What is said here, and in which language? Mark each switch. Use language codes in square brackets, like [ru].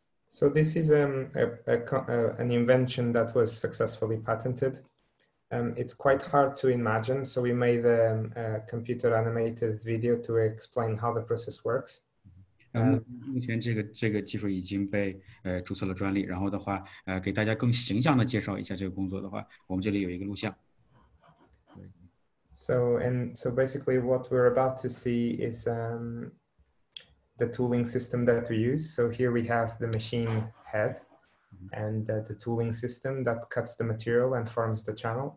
[en] So this is an invention that was successfully patented. It's quite hard to imagine, so we made a computer animated video to explain how the process works. [zh] 目前这个技术已经被注册了专利，然后的话，给大家更形象的介绍一下这个工作的话，我们这里有一个录像。 [en] So basically what we're about to see is the tooling system that we use. So here we have the machine head and the tooling system that cuts the material and forms the channel.